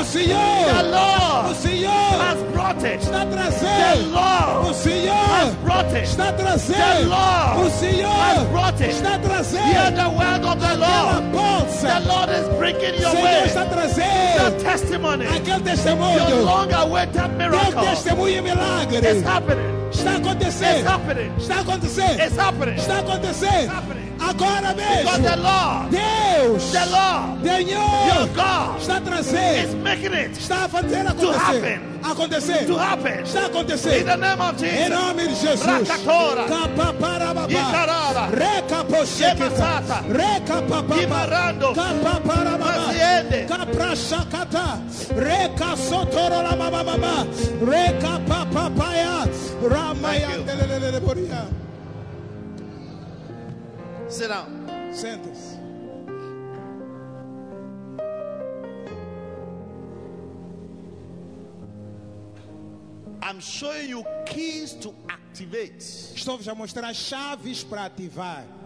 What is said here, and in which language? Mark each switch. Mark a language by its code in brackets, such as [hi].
[pt] o Senhor, [en] the Lord, [pt] o Senhor, [en] has brought it, [pt] está trazendo. [en] The Lord, [pt] o Senhor, [en] has brought it, [pt] está trazendo. [en] The Lord, [pt] o Senhor, [en] has brought it, [pt] está trazendo. [en] Hear the word of the Lord. The Lord is bringing your [pt] Senhor [en] way. [pt] Está trazendo. [en] The testimony. [pt] Aquele testemunho. [en] Your long-awaited miracle. [pt] Teu testemunho milagre. [en] It's happening. [pt] Está acontecendo. [en] It's happening. [pt] Está acontecendo. [en] It's happening. [pt] Está acontecendo. [en] It's happening. [pt] Agora mesmo. [en] Because the Lord, [pt] Deus, [en] the Lord, [pt] Senhor, [en] your God, [pt] está trazendo, [en] is making it, [pt] está fazendo acontecer, acontecer, [en] to happen, [pt] está acontecendo, [en] in the name of Jesus, [pt] em nome de Jesus, recapara, recapara, recaposhekita, recapapapa, capara, capra, shakata, recasotoro, lamamamama, recapapapaya, ramaya, deleleleleporia. [en] Sit down. [pt] Sentes. [en] I'm showing you keys to activate. [pt] Estou a mostrar chaves para ativar.